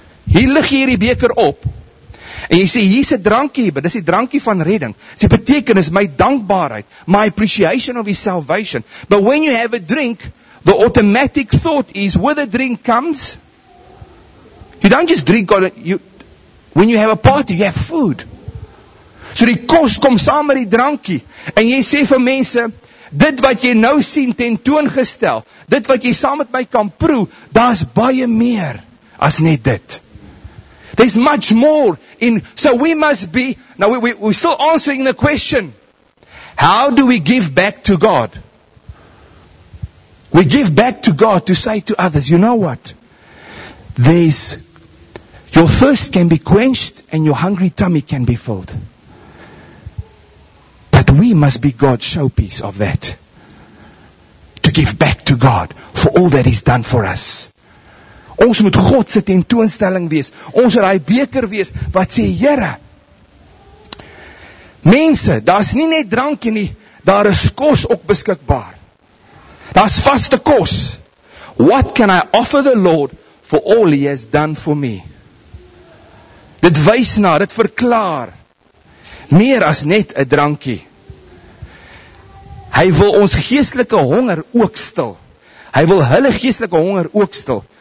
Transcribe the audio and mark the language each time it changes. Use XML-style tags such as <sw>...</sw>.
<af>Hier lig jy hierdie beker op, en jy sê, hier is 'n drankie, dit is die drankie van redding, sy betekenis, my dankbaarheid,</af> <en>my appreciation of his salvation, but when you have a drink, the automatic thought is, where the drink comes, you don't just drink, when you have a party, you have food.</en> <af>So die kos kom saam met die drankie, en jy sê vir mense, dit wat jy nou sien tentoongestel, dit wat jy saam met my kan proe, daar is baie meer as net dit.</af> <en>There's much more, and so we must be, now we're still answering the question, how do we give back to God? We give back to God to say to others, you know what? Your thirst can be quenched, and your hungry tummy can be filled. We must be God's showpiece of that. To give back to God for all that he's done for us.</en> <af>Ons moet God se tentoonstelling wees. Ons moet daai beker wees wat sê Here. Mense, daar's nie net drankie nie, daar is kos ook beskikbaar. Daar's vaste kos.</af> <en>What can I offer the Lord for all he has done for me?</en> <af>Dit wys na, dit verklaar meer as net 'n drankie. Hy wil ons geestelike honger ook stil. Hy wil hulle geestelike honger ook stil.</af>